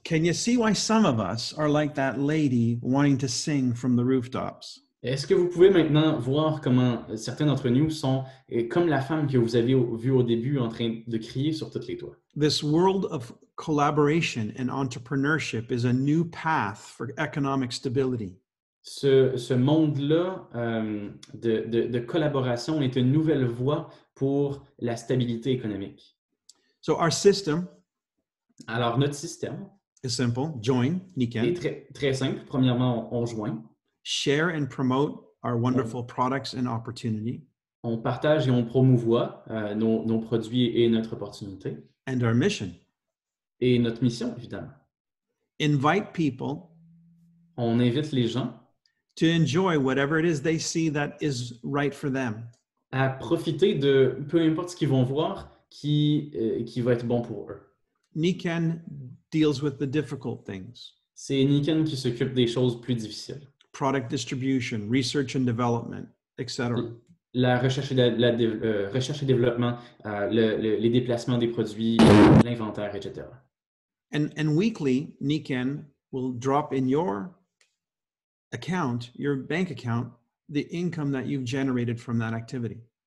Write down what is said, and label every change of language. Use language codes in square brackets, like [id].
[en] Can you see why some of us are like that lady wanting to sing from the rooftops? [fr] Est-ce que vous pouvez maintenant voir comment certains d'entre nous sont comme la femme que vous avez vue au début en train de crier sur toutes les toits? [en] This world of collaboration and entrepreneurship is a new path for economic stability. [fr] Ce monde-là de collaboration est une nouvelle voie pour la stabilité économique. [en] So our system. [fr] Alors notre système. [en] Is simple. Join. Niken. [fr] Est très simple. Premièrement, on joint. [en] Share and promote our wonderful products and opportunity. [fr] On partage et on promouvoit nos produits et notre opportunité. [en] And our mission. [fr] Et notre mission, évidemment. [en] Invite people. [fr] On invite les gens. [en] to enjoy whatever it is they see that is right for them. [fr] À profiter de peu importe ce qu'ils vont voir qui va être bon pour eux. [en] Niken deals with the difficult things. [fr] C'est Niken qui s'occupe des choses plus difficiles. [en] Product distribution, research and development, etc. [fr] La recherche et recherche et développement, les déplacements des produits, l'inventaire, etc. [en] And weekly, Niken will drop in your account, your bank account, the income that you've generated from that activity.